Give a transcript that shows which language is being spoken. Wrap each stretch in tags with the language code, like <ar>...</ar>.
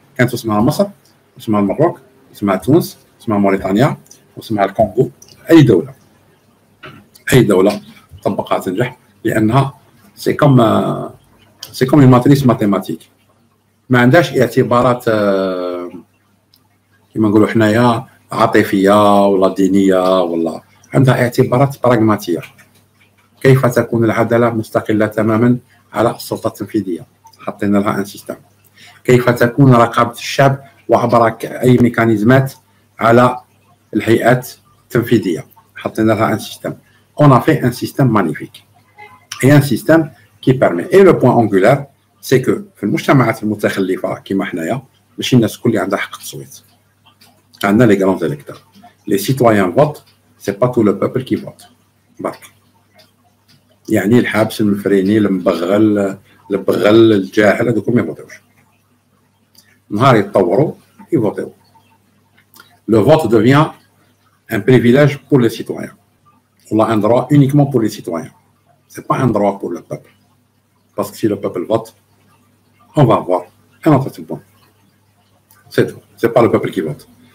<ar>كانت اسمها مصر، اسمها المغرب، اسمها تونس، اسمها موريتانيا، اسمها الكونغو، أي دولة، أي دولة طبقات تنجح، لأنها سيكم الماتريس ماتيماتيك، ما عندهاش اعتبارات كما نقولوا حنايا عاطفية ولا دينية، ولا عندها اعتبارات براغماتية. كيف تكون العدالة مستقلة تماما على السلطة التنفيذية؟ حطينا لها ان سيستم. كيف تكون رقابة الشعب وعبر اي ميكانيزمات على الهيئات التنفيذية؟ حطينا لها ان سيستم.</ar> <fr>On a fait un système magnifique et un système qui permet. Et le point angulaire, c'est que</fr> <ar>في المجتمعات المتخلفة كما حنايا ماشي الناس كل اللي عندها حق التصويت. عندنا لي غران زيليكتور.</ar> <fr>Les citoyens votent, c'est pas tout le peuple qui vote.</fr> <ar>برك. يعني الحابس المفريني المبغل البغل الجاهل هذوك ما يفوتوش. نهار يتطوروا يفوتوا.</ar> <fr>Le vote devient un privilège pour les citoyens. On a un droit uniquement pour les citoyens. Ce n'est pas un droit pour le peuple. Parce que si le peuple vote, on va avoir un autre point. C'est tout. Ce n'est pas le peuple qui vote.</fr>